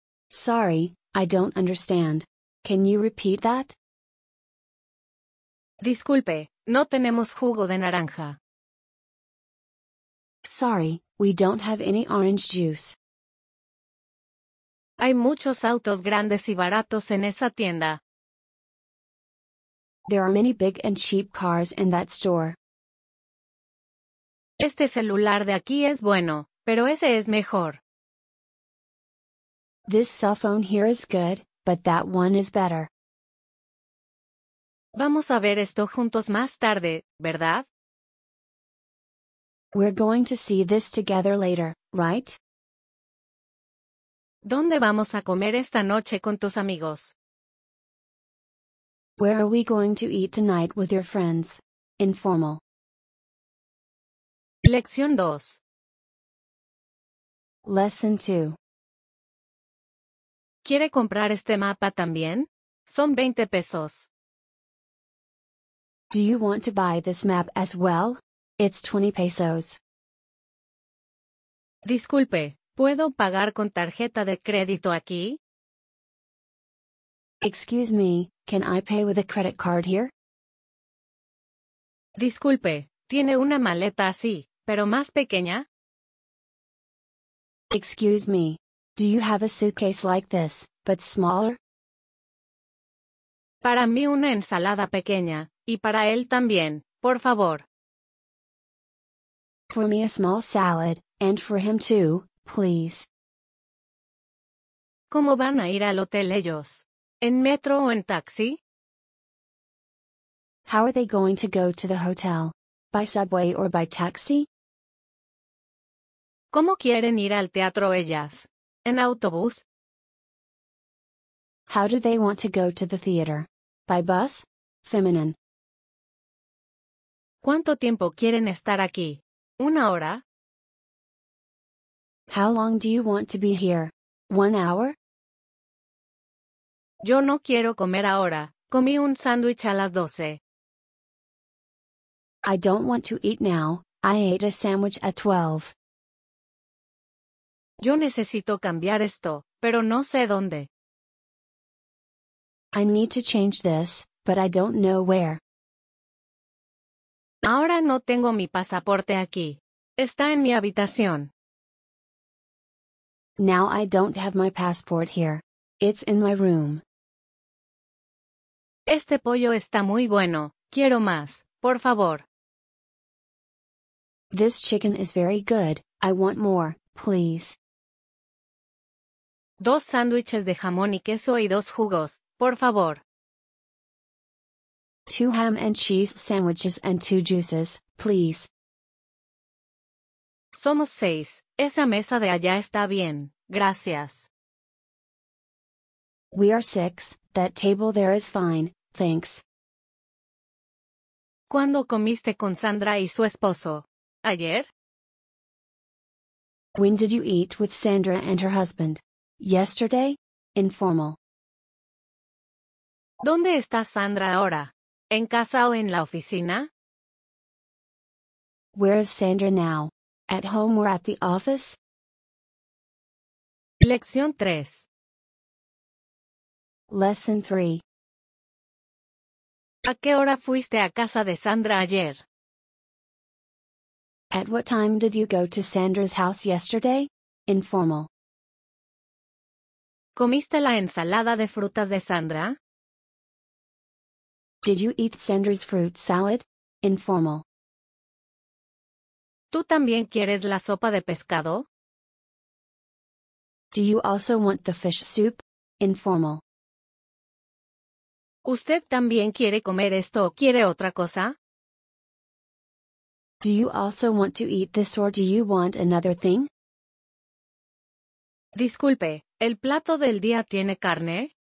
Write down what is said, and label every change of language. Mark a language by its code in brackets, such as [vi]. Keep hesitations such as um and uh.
[en] Sorry, I don't understand. Can you repeat that? [es] Disculpe, no tenemos jugo de naranja. [en] Sorry, we don't have any orange juice. [es] Hay muchos autos grandes y baratos en esa tienda. [en] There are many big and cheap cars in that store. [es] Este celular de aquí es bueno, pero ese es mejor. [en] This cell phone here is good, but that one is better. [es] Vamos a ver esto juntos más tarde, ¿verdad? [en] We're going to see this together later, right? [es] ¿Dónde vamos a comer esta noche con tus amigos? [en] Where are we going to eat tonight with your friends? Informal. [es] Lección 2 [en] Lesson 2 [es] ¿Quiere comprar este mapa también? Son 20 pesos. [en] Do you want to buy this map as well? It's 20 pesos. [es] Disculpe, ¿puedo pagar con tarjeta de crédito aquí? [en] Excuse me, can I pay with a credit card here? [es] Disculpe, tiene una maleta así, Pero más pequeña? [en] Excuse me. Do you have a suitcase like this, but smaller? [es] Para mí una ensalada pequeña, y para él también, por favor. [en] For me a small salad, and for him too, please. [es] ¿Cómo van a ir al hotel ellos? ¿En metro o en taxi? [en] How are they going to go to the hotel? By subway or by taxi? [es] ¿Cómo quieren ir al teatro ellas? ¿En autobús? [en] How do they want to go to the theater? By bus? Feminine. [es] ¿Cuánto tiempo quieren estar aquí? ¿Una hora? [en] How long do you want to be here? One hour? [es] Yo no quiero comer ahora. Comí un sándwich a las 12. [en] I don't want to eat now. I ate a sandwich at 12. [es] Yo necesito cambiar esto, pero no sé dónde. [en] I need to change this, but I don't know where. [es] Ahora no tengo mi pasaporte aquí. Está en mi habitación. [en] Now I don't have my passport here. It's in my room. [es] Este pollo está muy bueno. Quiero más, por favor. [en] This chicken is very good. I want more, please [es] dos sándwiches de jamón y queso y dos jugos, por favor. [en] Two ham and cheese sandwiches and two juices, please. [es] Somos seis. Esa mesa de allá está bien. Gracias. [en] We are six. That table there is fine. Thanks. [es] ¿Cuándo comiste con Sandra y su esposo? ¿Ayer? [en] When did you eat with Sandra and her husband? Yesterday? Informal. [es] ¿Dónde está Sandra ahora? ¿En casa o en la oficina? [en] Where is Sandra now? At home or at the office? [es] Lección tres. [en] Lesson 3. [es] ¿A qué hora fuiste a casa de Sandra ayer? [en] At what time did you go to Sandra's house yesterday? Informal. [es] ¿Comiste la ensalada de frutas de Sandra? [en] Did you eat Sandra's fruit salad? Informal. [es] ¿Tú también quieres la sopa de pescado? [en] Do you also want the fish soup? Informal. [es] ¿Usted también quiere comer esto o quiere otra cosa? [en] Do you also want to eat this or do you want another thing? [es] Disculpe, ¿el plato del día tiene carne?